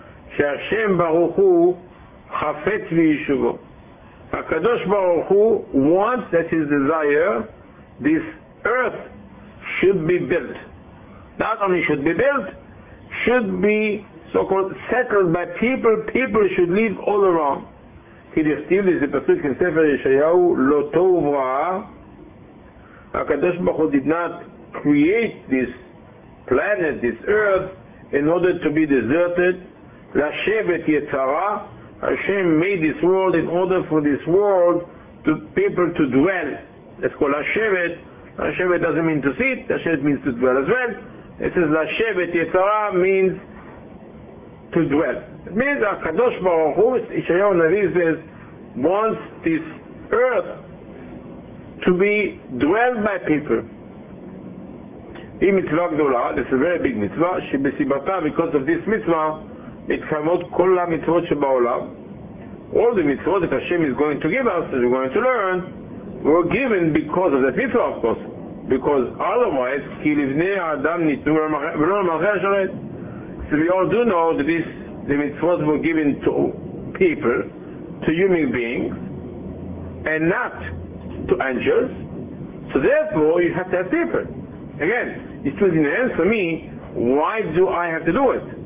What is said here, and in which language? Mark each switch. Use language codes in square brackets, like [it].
[he] Hashem Baruch Hu chafet v'yishuvo. [en] HaKadosh Baruch Hu wants, that's his desire, this earth should be built. Not only should be built, should be so-called settled by people. People should live all around. [he] כי דכתיב לי, זה פסוק עם ספר ישעיהו, לא טוב רע. [en] הקדוש ברוך הוא did not create this planet, this earth, in order to be deserted, [he] לשבת יצרה. [en] Hashem made this world in order for this world to people to dwell. It's called לשבת. לשבת doesn't mean to sit, לשבת means to dwell as well. It says לשבת יצרה means to dwell. It means that Kadosh Baruch Hu, Yeshayahu Navi says, wants this earth to be dwelled by people. [he] Hi mitzvah gdola, [en] it's a very big mitzvah, [he] שבסיבתה, [en] because of this mitzvah, [he] מתקיימות כל המצוות שבעולם. [en] All the mitzvot that Hashem is going to give us, that we're going to learn, were given because of that mitzvah, of course. [he] Because otherwise, כי לבני האדם ניתנו ולא למלכי השרת. [en] So we all do know that this the mitzvot were given to people, to human beings, and not to angels. So therefore, you have to have people. Again, it was in the end for me, why do I have to do it?